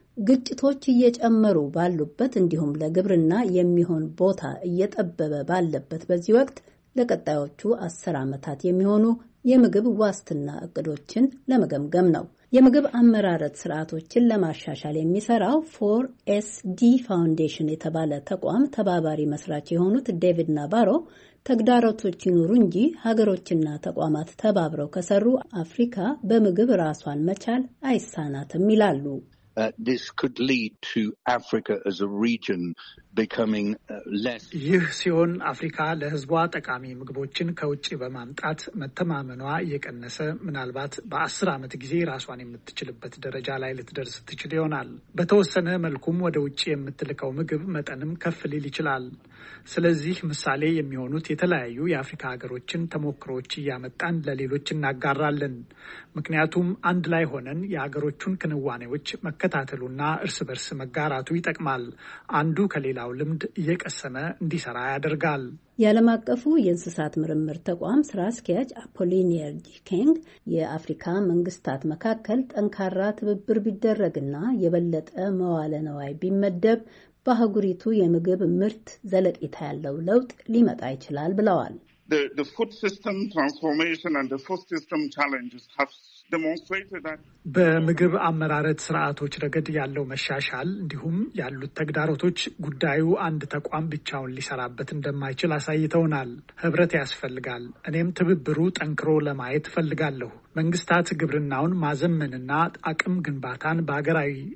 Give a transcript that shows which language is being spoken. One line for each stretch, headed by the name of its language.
Amharic: ግጭቶች እየጨመሩ ባሉበት እንዲሁም ለግብርና የሚሆን ቦታ እየጠበበ ባለበት በዚህ ወቅት ለቀጣዮቹ 10 ዓመታት የሚሆኑ የምግብ ዋስትና እቅዶችን ለመገምገም ነው። የምግብ አመራረት ስርዓቶችን ለማሻሻል የሚሰራው 4SD ፋውንዴሽን የተባለ ተቋም ተባባሪ መስራች የሆኑት ዴቪድ ናባሮ ተግዳሮቶች ይኖሩ እንጂ ሀገሮችና ተቋማት ተባብረው ከሰሩ አፍሪካ በምግብ ራስዋን መቻል አይሳናትም ይላሉ።
English: This could lead to Africa as a region becoming less
Amharic: ይህ ሲሆን አፍሪካ ለህዝቧ ጠቃሚ ምግቦችን ከውጪ በማምጣት መተማመኗ እየቀነሰ ምናልባት በ10 አመት ጊዜ ራስዋን የምትችልበት ደረጃ ላይ ልትደርስ ትችል ይሆናል። በተወሰነ መልኩም ወደ ውጪ የምትልከው ምግብ መጠንም ከፍ ሊል ይችላል። ስለዚህ ምሳሌ የሚሆኑት የተለያዩ የአፍሪካ ሀገሮችን ተሞክሮች ያመጣን ለሌሎች እናጋራለን። ምክንያቱም አንድ ላይ ሆነን የሀገሮቹን ክንዋኔዎች መከታተሉና እርስ በርስ መጋራቱ ይጠቅማል። አንዱ ከሌላው ልምድ እየቀሰመ እንዲሰራ ያደርጋል። የዓለም አቀፉ የእንስሳት ምርምር ተቋም ስራ አስኪያጅ አፖሊኒየር ዲኬንግ የአፍሪካ መንግስታት መካከል ጠንካራ ትብብር ቢደረግና የበለጠ መዋለ ነዋይ ቢመደብ በአህጉሪቱ የምግብ ምርት ዘለቄታ ያለው ለውጥ ሊመጣ ይችላል ብለዋል።
English: The food system transformation and the food system challenges have demonstrated that
Amharic: በምግብ አመራረት ስርዓቶች ረገድ ያለው መሻሻል እንዲሁም ያሉት ተግዳሮቶች ጉዳዩ አንድ ተቋም ብቻውን ሊሰራበት እንደማይችል አሳይተውናል። ህብረት ያስፈልጋል። እኔም ትብብሩ ጠንክሮ ለማየት ፈልጋለሁ። መንግስታት ግብርናውን ማዘመንና አቅም ግንባታን በአገራዊ